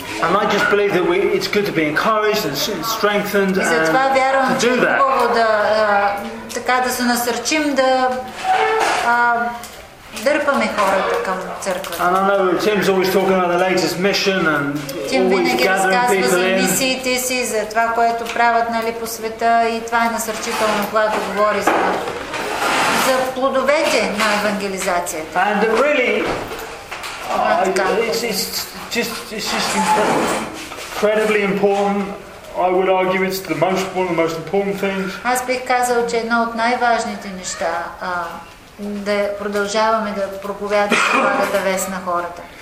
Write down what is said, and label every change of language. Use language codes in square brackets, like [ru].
[en] And I just believe that it's good to be encouraged and strengthened and to do that. [bg] И затова вярвам, че е хубаво да така да се насърчим да дърпаме хората към църквата. [en] And I know Tim's always talking about the latest mission and [bg] Tim винаги разказва за мисиите си, за това, което правят, нали, по света, и това е насърчително, когато говори за плодовете на евангелизацията. [en] And really, it's just incredibly important. I would argue it's one of the most important things. [bg] Аз бих казал, че едно от най-важните неща да продължаваме да проповядваме да вест на хората.